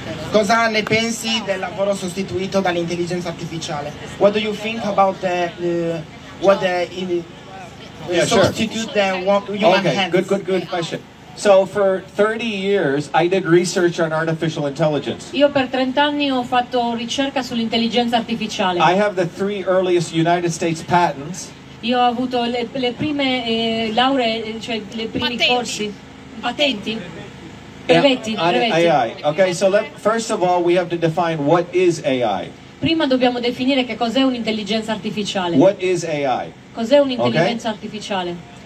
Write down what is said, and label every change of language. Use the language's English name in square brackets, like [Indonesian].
[Italian] Cosa ne pensi del lavoro sostituito dall'intelligenza artificiale? [English] What do you think about the substitute the human hands? Okay. Good question. So for 30 years I did research on artificial intelligence. [Italian] Io per 30 anni ho fatto ricerca sull'intelligenza artificiale. [English] I have the three earliest United States patents. [Italian] Io ho avuto le prime lauree, cioè le primi corsi patenti. Brevetti. [English] AI. Okay, so first of all we have to define what is AI. [Italian] Prima dobbiamo definire che cos'è un'intelligenza artificiale. [English] What is AI? [Italian] Cos'è un'intelligenza artificiale?